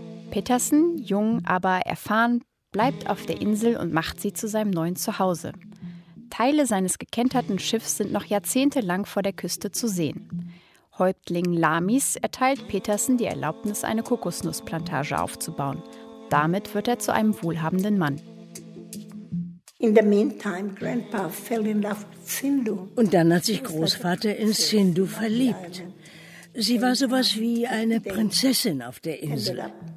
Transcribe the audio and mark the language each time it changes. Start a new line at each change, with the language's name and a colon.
German: Petersen, jung, aber erfahren, bleibt auf der Insel und macht sie zu seinem neuen Zuhause. Teile seines gekenterten Schiffs sind noch jahrzehntelang vor der Küste zu sehen. Häuptling Lamis erteilt Petersen die Erlaubnis, eine Kokosnussplantage aufzubauen. Damit wird er zu einem wohlhabenden Mann.
English: In the meantime, Grandpa fell in love with Sindhu.
German: Und dann hat sich Großvater in Sindhu verliebt. Sie war sowas wie eine Prinzessin auf der Insel.